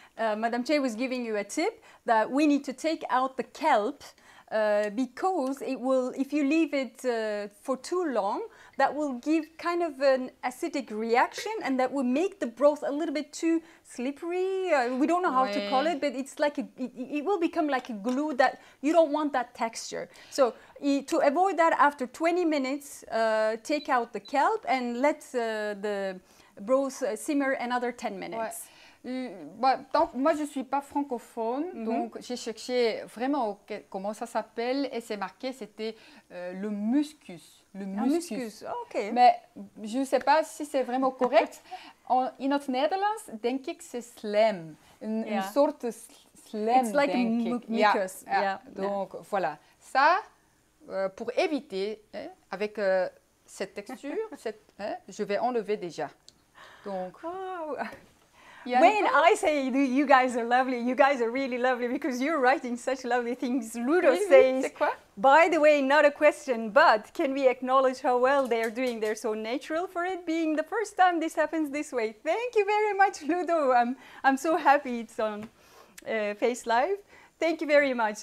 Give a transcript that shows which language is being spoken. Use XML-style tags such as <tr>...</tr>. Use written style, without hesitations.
<en>Madame Che was giving you a tip that we need to take out the kelp because it will, if you leave it for too long, that will give kind of an acidic reaction and that will make the broth a little bit too slippery. We don't know how to call it, but it's like it will become like a glue that you don't want that texture. So to avoid that, after 20 minutes, take out the kelp and let the broth simmer another 10 minutes.</en> <fr>Ouais. Moi, je ne suis pas francophone, donc j'ai cherché vraiment comment ça s'appelle et c'est marqué, c'était le muscus. Le muscus, ok. Mais je ne sais pas si c'est vraiment correct. In notre Netherlands,</fr> <nl>denk ik,</nl> <fr>c'est slem. Une sorte slem,</fr> <nl>denk ik.</nl> <en>It's like mucus. Yeah.</en> <fr>Donc, voilà. Ça, pour éviter, avec cette texture, je vais enlever déjà. Donc,</fr> <en>When I say you guys are lovely, you guys are really lovely because you're writing such lovely things. Ludo says, by the way, not a question, but can we acknowledge how well they are doing? They're so natural for it being the first time this happens this way. Thank you very much, Ludo. I'm so happy it's on Face Live. Thank you very much.</en>